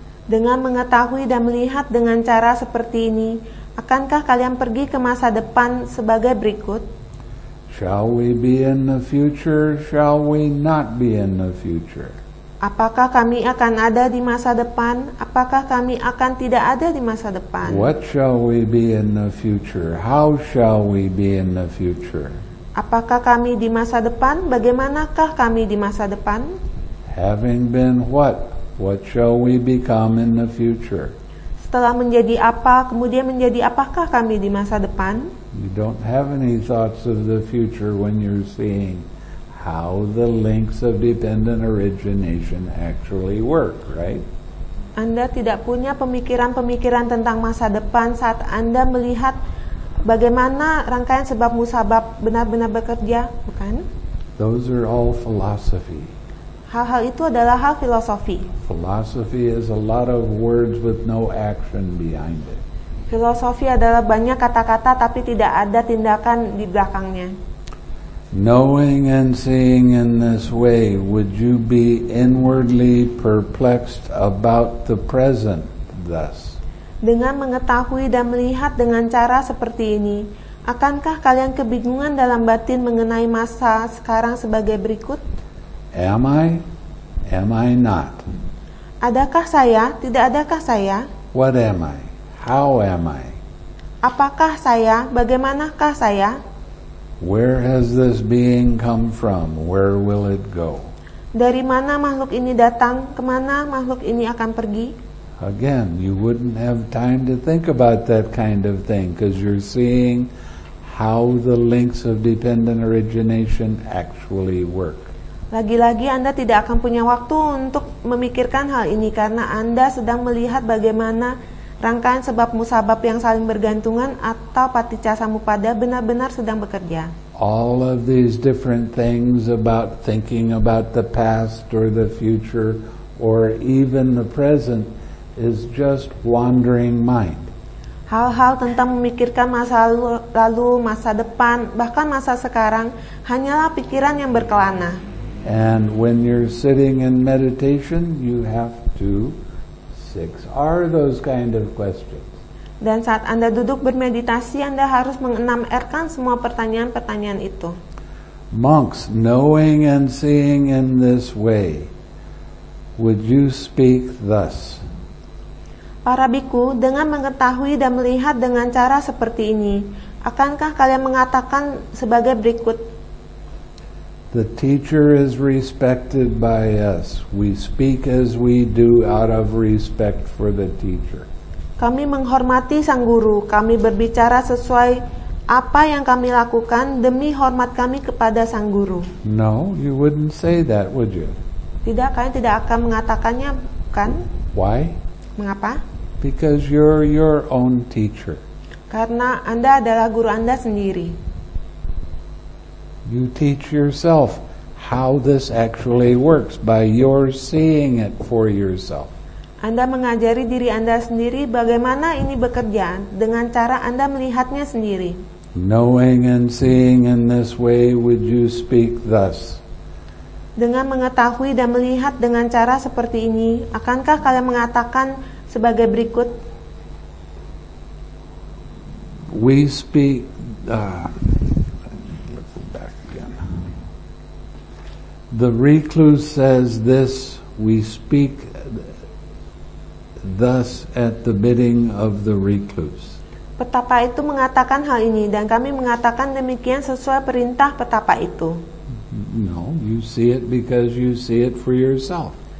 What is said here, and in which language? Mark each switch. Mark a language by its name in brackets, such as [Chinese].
[Indonesian] Dengan mengetahui dan melihat dengan cara seperti ini, akankah kalian pergi ke masa depan sebagai berikut? [English] Shall we be in the future? Shall we not be in the future? [Indonesian] Apakah kami akan ada di masa depan? Apakah kami akan tidak ada di masa depan? [English] What shall we be in the future? How shall we be in the future? [Indonesian] Apakah kami di masa depan? Bagaimanakah kami di masa depan? [English] Having been what? What shall we become in the future? [Indonesian] Setelah menjadi apa, kemudian menjadi apakah kami di masa depan? [English] You don't have any thoughts of the future when you're seeing how the links of dependent origination actually work, right? [Indonesian] Anda tidak punya pemikiran-pemikiran tentang masa depan saat Anda melihat bagaimana rangkaian sebab musabab benar-benar bekerja, bukan? [English] Those are all philosophy. [Indonesian] Hal-hal itu adalah hal filosofi. [English] Philosophy is a lot of words with no action behind it. [Indonesian] Filosofi adalah banyak kata-kata tapi tidak ada tindakan di belakangnya. [English] Knowing and seeing in this way, would you be inwardly perplexed about the present thus? [Indonesian] Dengan mengetahui dan melihat dengan cara seperti ini, akankah kalian kebingungan dalam batin mengenai masa sekarang sebagai berikut? [English] Am I? Am I not? [Indonesian] Adakah saya? Tidak adakah saya? [English] What am I? How am I? [Indonesian] Apakah saya? Bagaimanakah saya? [English] Where has this being come from? Where will it go? [Indonesian] Dari mana makhluk ini datang? Kemana makhluk ini akan pergi? [English] Again, you wouldn't have time to think about that kind of thing because you're seeing how the links of dependent origination actually work. [Indonesian] Lagi-lagi Anda tidak akan punya waktu untuk memikirkan hal ini karena Anda sedang melihat bagaimana rangkaian sebab musabab yang saling bergantungan atau paticca samuppada benar-benar sedang bekerja. [English] All of these different things about thinking about the past or the future or even the present is just wandering mind. [Indonesian] Hal-hal tentang memikirkan masa lalu, masa depan, bahkan masa sekarang hanyalah pikiran yang berkelana. [English] And when you're sitting in meditation, you have to six R those kind of questions. [Indonesian] Dan saat Anda duduk bermeditasi, Anda harus mengenam-erkan semua pertanyaan-pertanyaan itu. [English] Monks, knowing and seeing in this way, would you speak thus? [Indonesian] Para bhikkhu, dengan mengetahui dan melihat dengan cara seperti ini, akankah kalian mengatakan sebagai berikut? [English] The teacher is respected by us. We speak as we do out of respect for the teacher. [Indonesian] Kami menghormati sang guru. Kami berbicara sesuai apa yang kami lakukan demi hormat kami kepada sang guru. [English] No, you wouldn't say that, would you? [Indonesian] Tidak, kalian tidak akan mengatakannya, bukan? [English] Why? [Indonesian] Mengapa? [English] Because you're your own teacher. [Indonesian] Karena Anda adalah guru Anda sendiri. [English] You teach yourself how this actually works by your seeing it for yourself. [Indonesian] Anda mengajari diri Anda sendiri bagaimana ini bekerja dengan cara Anda melihatnya sendiri. [English] Knowing and seeing in this way, would you speak thus? [Indonesian] Dengan mengetahui dan melihat dengan cara seperti ini, akankah kalian mengatakan sebagai berikut? [English] we speak, let's go back again. The recluse says this, we speak thus at the bidding of the recluse. [Indonesian] Petapa itu mengatakan hal ini, dan kami mengatakan demikian sesuai perintah petapa itu. [English] No, you see it because you see it for yourself.